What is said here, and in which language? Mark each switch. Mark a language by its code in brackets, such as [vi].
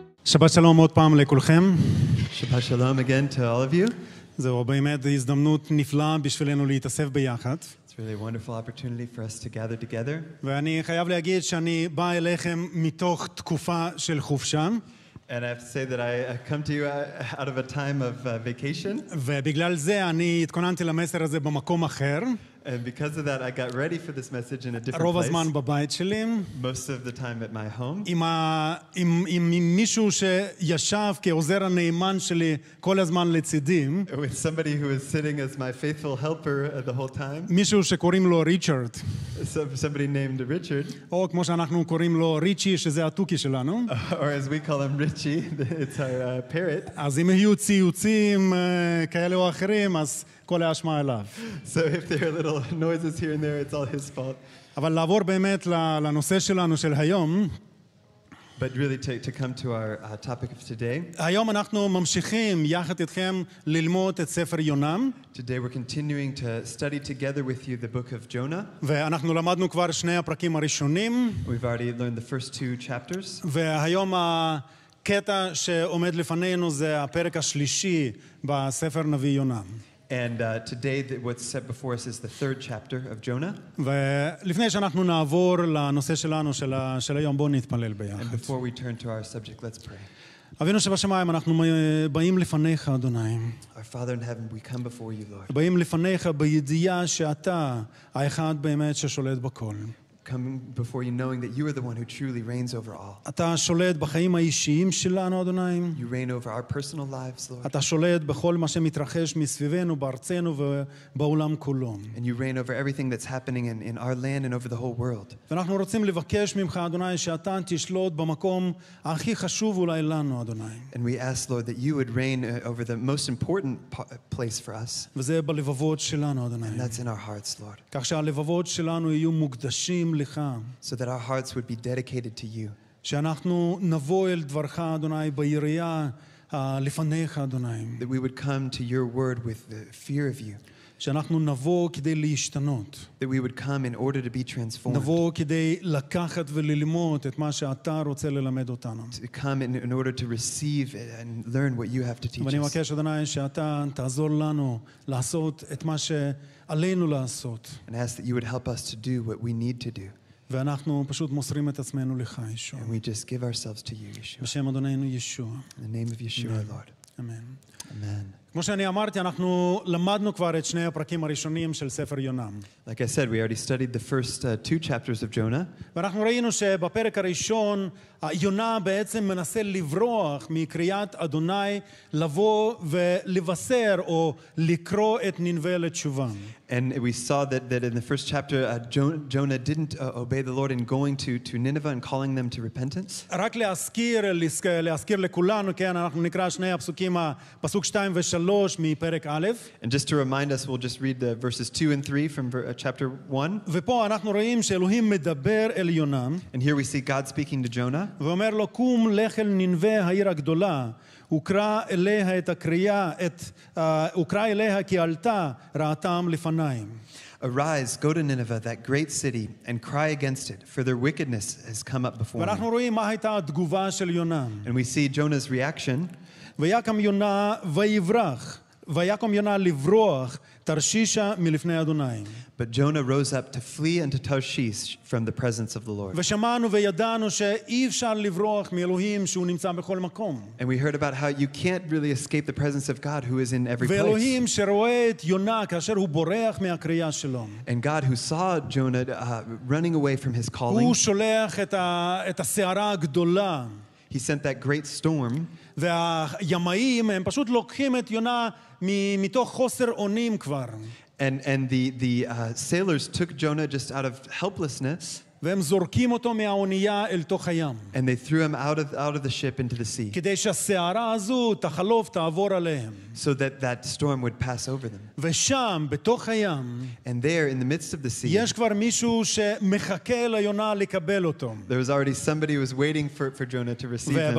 [he] Shabbat shalom עוד פעם לכולכם. [en] Shabbat shalom again to all of you. [he] זהו, באמת, זו הזדמנות נפלאה בשבילנו להתאסף ביחד. [en] It's really a wonderful opportunity for us to gather together. [he] ואני חייב להגיד שאני בא אליכם מתוך תקופה של חופשה. [en] And I have to say that I come to you out of a time of vacation. [he] ובגלל זה אני התכוננתי למסר הזה במקום אחר. [en] And because of that, I got ready for this message in a different place. [he] רוב הזמן בבית שלי. [en] Most of the time at my home. [he] עם מישהו שישב כעוזר הנאמן שלי כל הזמן לצידי. [en] With somebody who is sitting as my faithful helper the whole time. [he] מישהו שקוראים לו ריצ'רד. [en] Somebody named Richard. [he] או כמו שאנחנו קוראים לו ריצ'י, שזה הטוקי שלנו. [en] Or as we call him Richie, it's our parrot. [he] אז אם יהיו ציוצים כאלה או אחרים, אז כל האשמה עליו. [en] So if there are little noises here and there, it's all his fault. [he] אבל לעבור באמת לנושא שלנו של היום. [en] But really to come to our topic of today. [he] היום אנחנו ממשיכים יחד איתכם ללמוד את ספר יונה. [en] Today we're continuing to study together with you the book of Jonah. [he] ואנחנו למדנו כבר שני הפרקים הראשונים. [en] We've already learned the first two chapters. [he] והיום הקטע שעומד לפנינו זה הפרק השלישי בספר נביא יונה. [en] And today what's set before us is the third chapter of Jonah. [he] ולפני שאנחנו נעבור לנושא שלנו של היום, בוא נתפלל ביחד. [en] And before we turn to our subject, let's pray. [he] אבינו שבשמיים, אנחנו באים לפניך, אדוני. [en] Our Father in heaven, we come before you, Lord. [he] באים לפניך בידיעה שאתה האחד באמת ששולט בכל. [en] Coming before you knowing that you are the one who truly reigns over all. [he] אתה שולט בחיים האישיים שלנו, אדוני. [en] You reign over our personal lives, Lord. [he] אתה שולט בכל מה שמתרחש מסביבנו, בארצנו ובעולם כולו. [en] And you reign over everything that's happening in our land and over the whole world. [he] ואנחנו רוצים לבקש ממך, אדוני, שאתה תשלוט במקום הכי חשוב אולי לנו, אדוני. [en] And we ask, Lord, that you would reign over the most important place for us. [he] וזה בלבבות שלנו, אדוני. [en] And that's in our hearts, Lord. [he] כך שהלבבות שלנו יהיו מוקדשים [en] So that our hearts would be dedicated to you. [he] שאנחנו נבוא אל דברך, אדוני, ביריעה לפניך, אדוני. [en] That we would come to your word with the fear of you. [he] שאנחנו נבוא כדי להשתנות. [en] That we would come in order to be transformed. [he] נבוא כדי לקחת וללמוד את מה שאתה רוצה ללמד אותנו. [en] To come in order to receive and learn what you have to teach us. [he] ואני מבקש, אדוני, שאתה תעזור לנו לעשות את מה ש... עלינו לעשות. [en] And ask that you would help us to do what we need to do. [he] ואנחנו פשוט מוסרים את עצמנו לך, ישוע. [en] And we just give ourselves to you, Yeshua. [he] בשם אדוננו, ישוע. [en] In the name of Yeshua, Amen. Lord. Amen. Amen. [he] כמו שאני אמרתי, אנחנו למדנו כבר את שני הפרקים הראשונים של ספר יונה. [en] Like I said, we already studied the first two chapters of Jonah. [he] ואנחנו ראינו שבפרק הראשון, יונה בעצם מנסה לברוח מקריאת אדוני לבוא ולבשר או לקרוא את נינווה לתשובה. [en] And we saw that in the first chapter, Jonah didn't obey the Lord in going to Nineveh and calling them to repentance. [he] רק להזכיר לכולנו, כן, אנחנו נקרא שני הפסוקים, פסוק 2 ו-3 מפרק א'. [en] And just to remind us, we'll just read the verses 2 and 3 from chapter 1. [he] ופה אנחנו רואים שאלוהים מדבר אל יונה. [en] And here we see God speaking to Jonah. [he] ואומר לו, קום לך אל נינווה העיר הגדולה. וקרא אליה את הקריאה, וקרא אליה כי עלתה רעתם לפניים. [en] Arise, go to Nineveh, that great city, and cry against it, for their wickedness has come up before me. [he] ואנחנו רואים מה הייתה התגובה של יונה. [en] And we see Jonah's reaction. [he] ויקם יונה ויברח, ויקם יונה לברוח תרשישה מלפני אדוני. [en] But Jonah rose up to flee unto Tarshish from the presence of the Lord. [he] ושמענו וידענו שאי אפשר לברוח מאלוהים שהוא נמצא בכל מקום. [en] And we heard about how you can't really escape the presence of God who is in every place. [he] ואלוהים שרואה את יונה כאשר הוא בורח מהקריאה שלו. [en] And God who saw Jonah running away from his calling. [he] הוא שולח את הסערה הגדולה. [en] He sent that great storm. [he] והימאים הם פשוט לוקחים את יונה מתוך חוסר אונים כבר. [en] And the sailors took Jonah just out of helplessness. [he] והם זורקים אותו מהאונייה אל תוך הים. [en] And they threw him out of the ship into the sea. [he] כדי שהסערה הזו תחלוף, תעבור עליהם. [en] So that storm would pass over them. [he] ושם, בתוך הים, [en] And there, in the midst of the sea, [he] יש כבר מישהו שמחכה ליונה לקבל אותו. [en] There was already somebody who was waiting for Jonah to receive him.